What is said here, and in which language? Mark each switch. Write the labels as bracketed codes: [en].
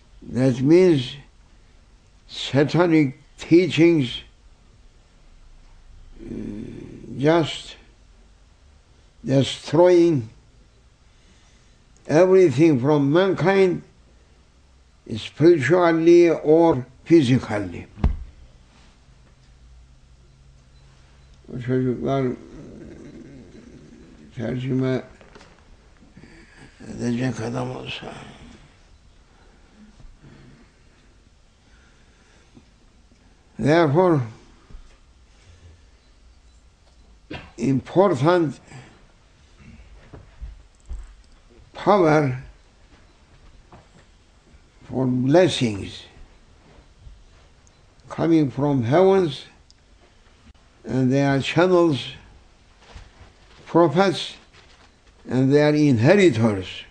[en] That means satanic teachings just destroying everything from mankind spiritually or physically. [tr] O çocuklar tercüme edecek adam olsa. [en] Therefore, important power for blessings coming from heavens, and they are channels, prophets, and they are inheritors.